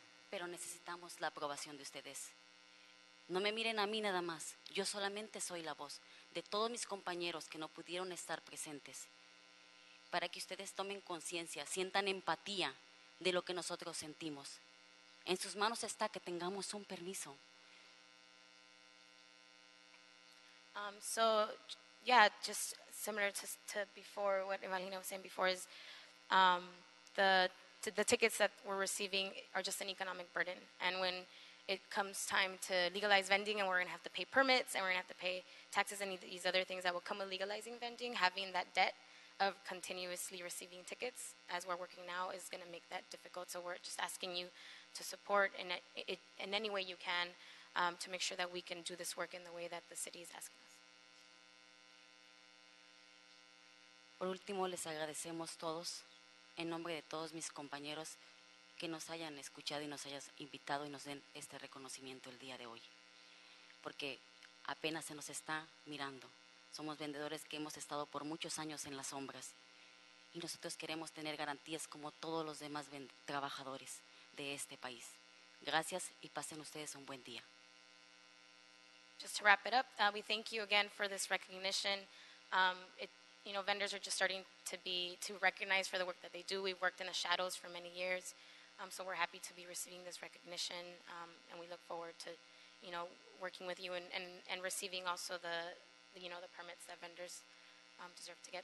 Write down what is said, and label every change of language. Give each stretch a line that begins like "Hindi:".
Spanish: Pero necesitamos la aprobación de ustedes. No me miren a mí nada más. Yo solamente soy la voz de todos mis compañeros que no pudieron estar presentes. Para que ustedes tomen conciencia, sientan empatía de lo que nosotros sentimos. En sus manos está que tengamos un permiso.
English: So, yeah, just similar to before, what Evangelina was saying before is the tickets that we're receiving are just an economic burden. And when it comes time to legalize vending and we're going to have to pay permits and we're going to have to pay taxes and these other things that will come with legalizing vending, having that debt of continuously receiving tickets as we're working now is going to make that difficult. So we're just asking you to support in any way you can to make sure that we can do this work in the way that the city is asking us.
Spanish: Por último, les agradecemos todos, en nombre de todos mis compañeros, que nos hayan escuchado y nos hayas invitado y nos den este reconocimiento el día de hoy. Porque apenas se nos está mirando. Somos vendedores que hemos estado por muchos años en las sombras y nosotros queremos tener garantías como todos los demás trabajadores de este país. Gracias y pasen ustedes un buen día.
English: Just to wrap it up, we thank you again for this recognition. You know, vendors are just starting to be recognized for the work that they do. We've worked in the shadows for many years, so we're happy to be receiving this recognition, and we look forward to, you know, working with you and receiving also the you know, the permits that vendors deserve to get.